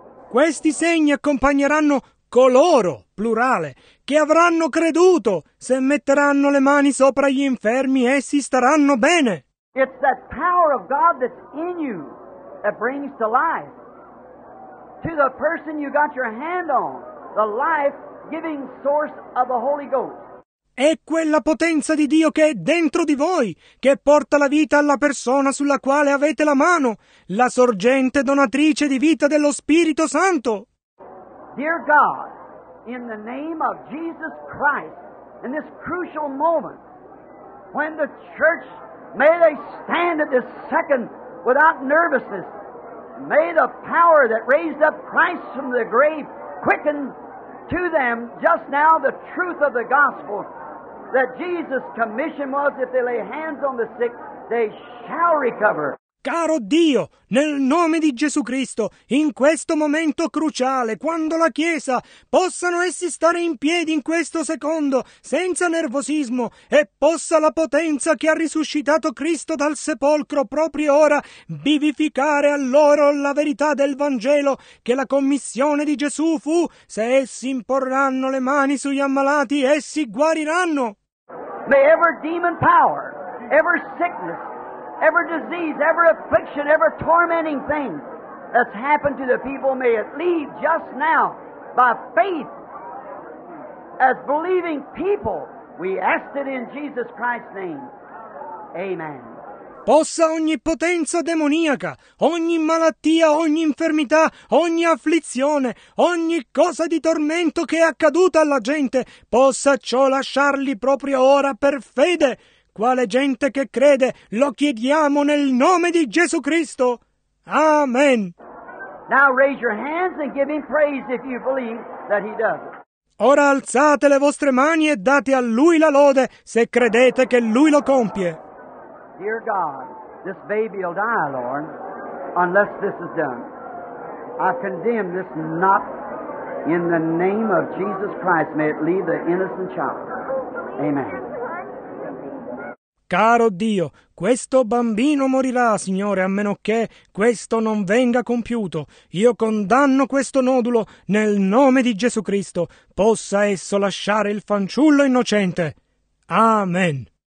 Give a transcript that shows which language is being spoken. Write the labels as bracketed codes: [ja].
[it] Questi segni accompagneranno coloro, plurale, che avranno creduto. Se metteranno le mani sopra gli infermi, essi staranno bene. [en] It's that power of God that's in you that brings to life. To the person you got your hand on, the life-giving source of the Holy Ghost. [it] È quella potenza di Dio che è dentro di voi, che porta la vita alla persona sulla quale avete la mano, la sorgente donatrice di vita dello Spirito Santo. [en] Dear God, in the name of Jesus Christ, in this crucial moment, when the church, may they stand at this second without nervousness, may the power that raised up Christ from the grave quicken to them just now the truth of the gospel that Jesus' commission was if they lay hands on the sick, they shall recover. [it] Caro Dio, nel nome di Gesù Cristo, in questo momento cruciale, quando la Chiesa possano essi stare in piedi in questo secondo, senza nervosismo, e possa la potenza che ha risuscitato Cristo dal sepolcro proprio ora vivificare a loro la verità del Vangelo, che la commissione di Gesù fu, se essi imporranno le mani sugli ammalati, essi guariranno. [en] May ever demon power, ever sickness, every disease, every affliction, every tormenting thing that's happened to the people, may it leave just now by faith. As believing people, we ask it in Jesus Christ's name. Amen. [it] Possa ogni potenza demoniaca, ogni malattia, ogni infermità, ogni afflizione, ogni cosa di tormento che è accaduta alla gente, possa ciò lasciarli proprio ora per fede. Quale gente che crede, lo chiediamo nel nome di Gesù Cristo. Amen. [en] Now raise your hands and give him praise if you believe that he does. [it] Ora alzate le vostre mani e date a lui la lode se credete che lui lo compie. [en] Dear God, this baby will die, Lord, unless this is done. I condemn this not in the name of Jesus Christ. May it leave the innocent child. Amen. [it] Caro Dio, questo bambino morirà, Signore, a meno che questo non venga compiuto. Io condanno questo nodulo nel nome di Gesù Cristo. Possa esso lasciare il fanciullo innocente. Amen.